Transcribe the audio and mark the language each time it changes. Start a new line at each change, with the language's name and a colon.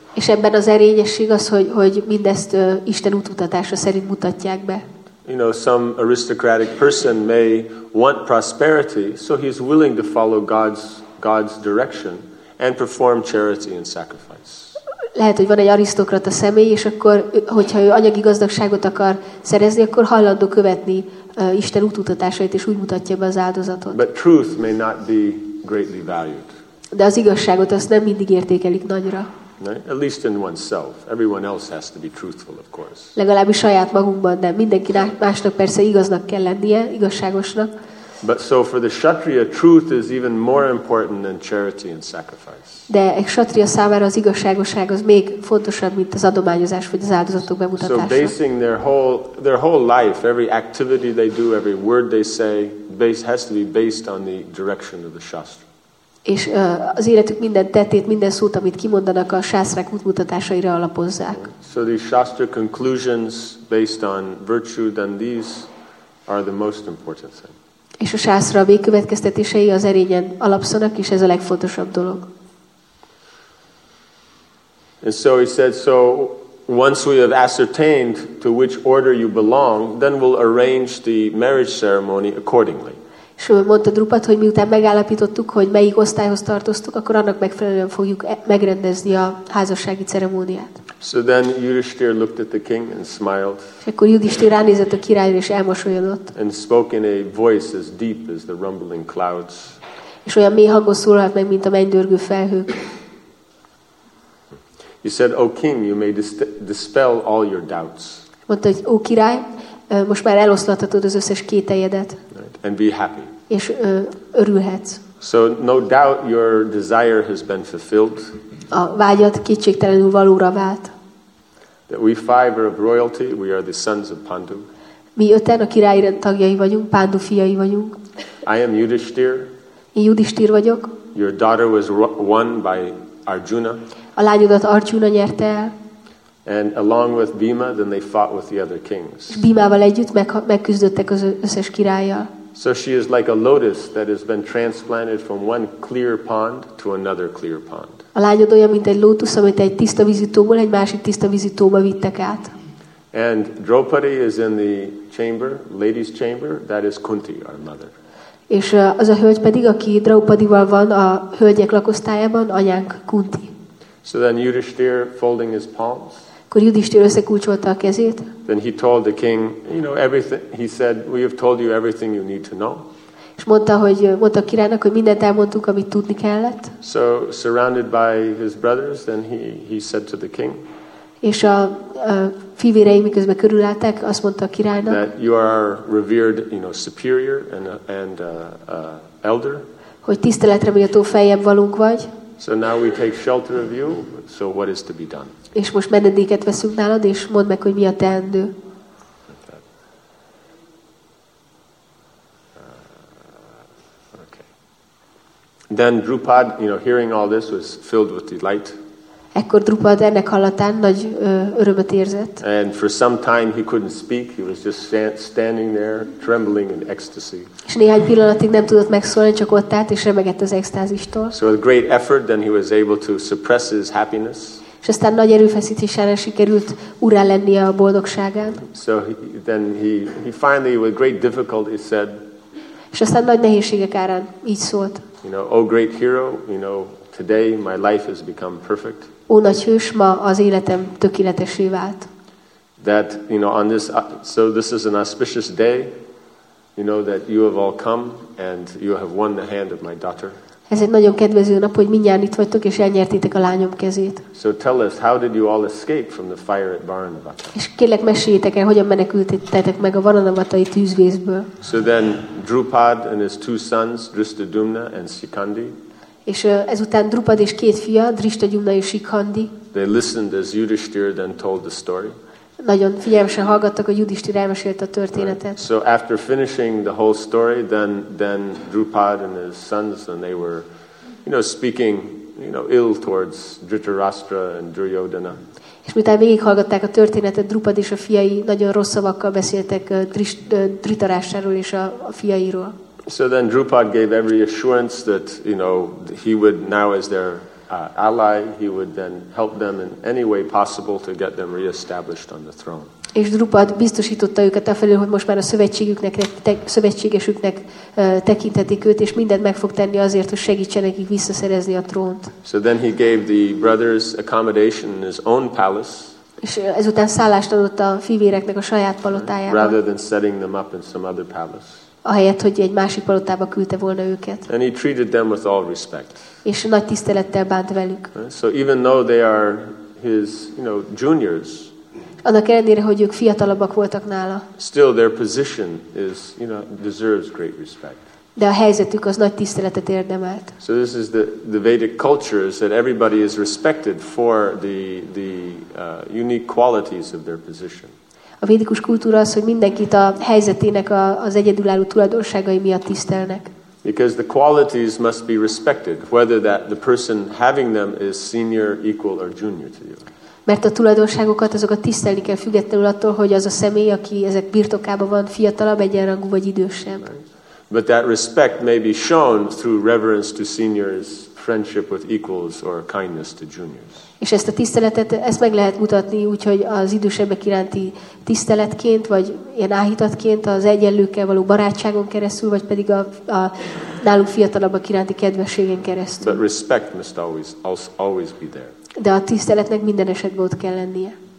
Hungarian: És ebben az erényesség az, hogy mindezt Isten útmutatása szerint mutatják be.
English: You know, some aristocratic person may want prosperity, so he is willing to follow God's direction and perform charity and sacrifice.
Hungarian: Lehet, hogy van egy arisztokrata személy, és akkor, hogyha ő anyagi gazdagságot akar szerezni, akkor hajlandó követni Isten útmutatásait, és úgy mutatja be az áldozatot.
English: But truth may not be greatly valued.
Hungarian: De az igazságot azt nem mindig értékelik nagyra.
English: Right? At least in oneself. Everyone else has to be truthful, of course.
Hungarian: Legalábbis saját magunkban, de mindenki másnak persze igaznak kell lennie, igazságosnak.
English: But so for the kshatriya, truth is even more important than charity and sacrifice.
Hungarian: De egy kshatriya számára az igazságosság az még fontosabb, mint az adományozás vagy az áldozatok bemutatása.
English: So basing their whole life, every activity they do, every word they say, has to be based on the direction of the shastra.
Hungarian: És az életük minden tettét, minden szót, amit kimondanak, a sászrák útmutatásaira alapozzák.
English: So the shastra conclusions based on virtue, then these are the most important thing.
Hungarian: És a sászra a végkövetkeztetései az erényen alapszanak, és ez a legfontosabb dolog.
English: And so he said, so once we have ascertained to which order you belong, then we'll arrange the marriage ceremony accordingly.
Hungarian: És mondta Drupad, hogy miután megállapítottuk, hogy melyik osztályhoz tartoztuk, akkor annak megfelelően fogjuk megrendezni a házassági ceremóniát.
English: So then Yudhishthira looked at the king and smiled.
Hungarian: És akkor Yudhishthira ránézett a királyra és elmosolyodott.
English: And spoke in a voice as deep as the rumbling clouds.
Hungarian: És olyan mély hangon szólalt meg, mint a mennydörgő felhők.
English: He said, "O king, you may dispel all your doubts."
Hungarian: Mondta, hogy ó király, most már eloszlathatod az összes kételyedet.
English: Right. And be happy.
Hungarian: És örülhetsz.
English: So no doubt your desire has been fulfilled.
Hungarian: A vágyad kétségtelenül valóra vált.
English: That we five are of royalty, we are the sons of Pandu.
Hungarian: Mi öten a királyi rend tagjai vagyunk, Pandu fiai vagyunk.
English: I am Yudhishthir.
Hungarian: Én Yudhishthir vagyok.
English: Your daughter was won by Arjuna.
Hungarian: A lányodat Arjuna nyerte el.
English: And along with Bhima, then they fought with the other kings.
Hungarian: Bhimával együtt megküzdöttek az összes királlyal.
English: So she is like a lotus that has been transplanted from one clear pond to another clear pond.
Hungarian: A lányod olyan, mint egy lótusz, amit egy tiszta vízi tóból egy másik tiszta vízi tóba vittek át.
English: And Draupadi is in the chamber, lady's chamber, that is Kunti, our mother.
Hungarian: És az a hölgy pedig, aki Draupadival van a hölgyek lakosztályában, anyánk Kunti.
English: So then Yudhishthir folding his palms.
Hungarian: Akkor Yudhishthir összekulcsolta a kezét.
English: Then he told the king, you know, everything. He said, "We have told you everything you need to know."
Hungarian: És mondta a királynak, hogy mindent elmondtuk, amit tudni kellett.
English: So surrounded by his brothers, then he said to the king.
Hungarian: És a fivérei miközben körülálltak, azt mondta a királynak.
English: That you are revered, you know, superior and elder.
Hungarian: Hogy tiszteletre méltó feljebb valunk vagy.
English: So now we take shelter of you. So what is to be done?
Hungarian: És most menedéket veszünk nálad, és mondd meg, hogy mi a teendő.
English: Okay. Then Drupad, you know, hearing all this was filled with delight.
Hungarian: Ekkor Drupad ennek hallatán nagy örömet érzett.
English: And for some time he couldn't speak. He was just standing there, trembling in ecstasy.
Hungarian: És néhány pillanatig nem tudott megszólni, csak ott állt és remegett az extázistól.
English: So with great effort, then he was able to suppress his happiness.
Hungarian: És aztán nagy erőfeszítésére sikerült úrrá lennie a boldogságán.
English: So he finally with great difficulty said.
Hungarian: És aztán nagy nehézségek árán így szólt.
English: You know, oh great hero, you know, today my life has become perfect.
Hungarian: Ó nagy hős, ma az életem tökéletessé vált.
English: That, you know, on this, so this is an auspicious day, you know, that you have all come and you have won the hand of my daughter.
Hungarian: Ez egy nagyon kedvező nap, hogy mindjárt itt vagytok, és elnyertétek a lányom kezét.
English: So tell us, how did you all escape from the fire at Varanavata?
Hungarian: És kérlek, meséljétek el, hogyan menekültetek meg a Varanavatai tűzvészből.
English: So then Drupad and his two sons, Drishtadyumna and Shikhandi.
Hungarian: És ezután Drupad és két fia, Drishtadyumna és Shikhandi.
English: They listened as Yudhishthir then told the story.
Hungarian: Nagyon figyelmesen hallgattak, hogy Yudhishthir elmesélte a történetet.
English: Right. So after finishing the whole story, then Drupad and his sons, and they were, you know, speaking, you know, ill towards Dhritarashtra and Duryodhana.
Hungarian: És miután végighallgatták a történetet, Drupad és a fiai nagyon rossz szavakkal beszéltek Dhritarashtráról és a fiairól.
English: So then Drupad gave every assurance that, you know, he would now as their ally, he would then help them in any way possible to get them reestablished on the throne.
Hungarian: És Drupad biztosította őket afelől, hogy most már a szövetségesüknek tekintetik őt, és mindent meg fog tenni azért, hogy segítsen nekik visszaszerezni a trónt.
English: So then he gave the brothers accommodation in his own palace.
Hungarian: És ezután szállást adott a fivéreknek a saját palotájában.
English: Rather than setting them up in some other palace.
Hungarian: Ahelyett, hogy egy másik palotába küldte volna őket.
English: And he treated them with all respect.
Hungarian: És nagy tisztelettel bánt velük.
English: So even though they are his, you know, juniors.
Hungarian: Annak ellenére, hogy ők fiatalabbak voltak nála.
English: Still their position is, you know, deserves great respect.
Hungarian: De a helyzetük az nagy tiszteletet érdemelt.
English: So this is the Vedic culture is that everybody is respected for the unique qualities of their position.
Hungarian: A védikus kultúra az, hogy mindenkit a helyzetének az egyedülálló tulajdonságai miatt tisztelnek.
English: Because the qualities must be respected, whether that the person having them is senior, equal or junior to you.
Hungarian: Mert a tulajdonságokat azokat tisztelni kell függetlenül attól, hogy az a személy, aki ezek birtokában van, fiatalabb, egyenrangú vagy idősebb.
English: But that respect may be shown through reverence to seniors, friendship with equals or kindness to juniors.
Hungarian: És ezt a tiszteletet, ezt meg lehet mutatni úgy, hogy az idősebbek iránti tiszteletként, vagy ilyen áhítatként, az egyenlőkkel való barátságon keresztül, vagy pedig a nálunk fiatalabbak iránti kedvességen keresztül.
English: But respect must always be there.
Hungarian: De a tiszteletnek minden esetben ott kell lennie.